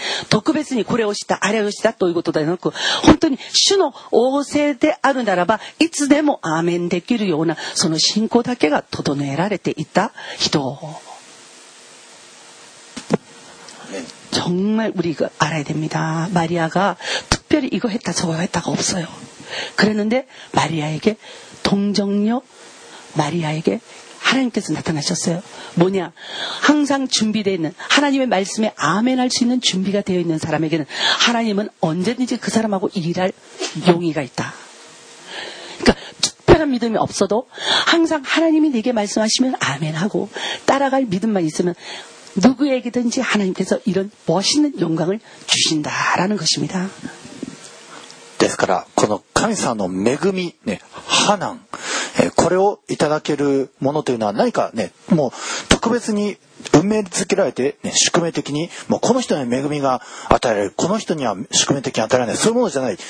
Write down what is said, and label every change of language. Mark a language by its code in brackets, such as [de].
[ja] 特別にこれをしたあれをしたということではなく本当に主の仰せであるならばいつでもアーメンできるようなその信仰だけが整えられていた人 [ko] 정말우리가알아야됩니다마리아가특별히이거했다저거했다가없어요그랬는데마리아에게동정녀마리아에게하 하나님께서 나타나셨어요. 뭐냐? 항상 준비되어 있는 하나님의 말씀에 아멘할 수 있는 준비가 되어 있는 사람에게는 하나님은 언제든지 그 사람하고 일할 용의가 있다. 그러니까 특별한 믿음이 없어도 항상 하나님이 내게 말씀하시면 아멘하고 따라갈 믿음만 있으면 누구에게든지 하나님께서 이런 멋있는 영광을 주신다라는 것입니다. [ja] ですからこの神様の恵み、ね、花難、 これをいただけるものというのは何かね、もう特別に運命づけられて、ね、宿命的に、もうこの人に恵みが与えられる、この人には宿命的に与えられない、そういうものじゃない。